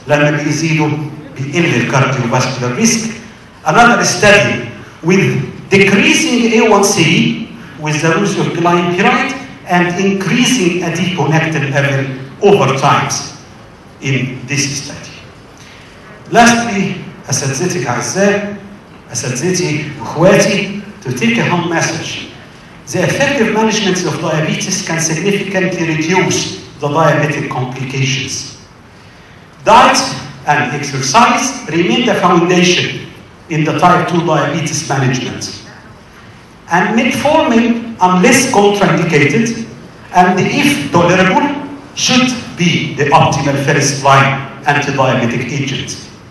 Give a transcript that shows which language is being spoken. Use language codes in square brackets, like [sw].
[ar] لما بيزيدوا بيقل ال cardiovascular risk. [en] Another study with decreasing A1C with the use of glimepiride and increasing adiponectin level over time in this study. Lastly, [ar] أساتذتك أعزائي أساتذتي وإخواتي [en] to take a home message. The effective management of diabetes can significantly reduce the diabetic complications. Diet and exercise remain the foundation in the type 2 diabetes management. And metformin, unless contraindicated, and if tolerable, should be the optimal first-line anti-diabetic agent.